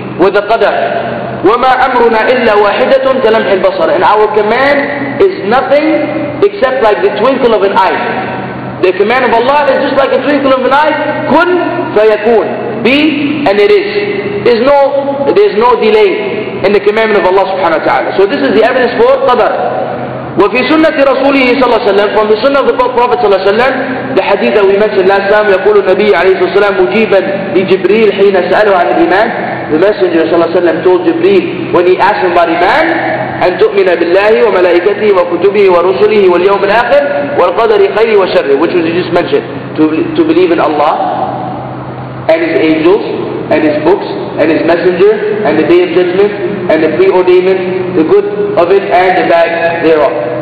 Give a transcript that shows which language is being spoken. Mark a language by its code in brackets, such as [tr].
[en] With the qadr. [ar] وَمَا أَمْرُنَا إِلَّا وَاحِدَةٌ كَلَمْحِ الْبَصَرِ [en] And our command is nothing except like the twinkle of an eye. The command of Allah is just like a twinkle of an eye. [ar] كُن فَيَكُون [en] Be and it is. There's no delay in the commandment of Allah subhanahu wa ta'ala. So this is the evidence for qadr. [ar] وَفِي سُنَّةِ رَسُولِهِ صَلَّى اللَّهُ عَلَيْهِ وَسَلَّمَ [en] From the sunnah of the Prophet [ar] صَلَّى اللَّهُ عَلَيْهِ وَسَلَّمَ [en] The hadith that we mentioned last time, [ar] يقول النبي عليه الصلاة والسلام مجيبا لجبريل حين سأله عن الإيمان. [en] The messenger صلى الله عليه وسلم told Jibril when he asked him about إيمان [ar] أن تؤمن بالله وملائكته وكتبه ورسله واليوم الآخر والقدر خيره وشره [en] which was just mentioned to believe in Allah and his angels and his books and his messenger and the day of judgment and the preordainment the good of it and the bad thereof.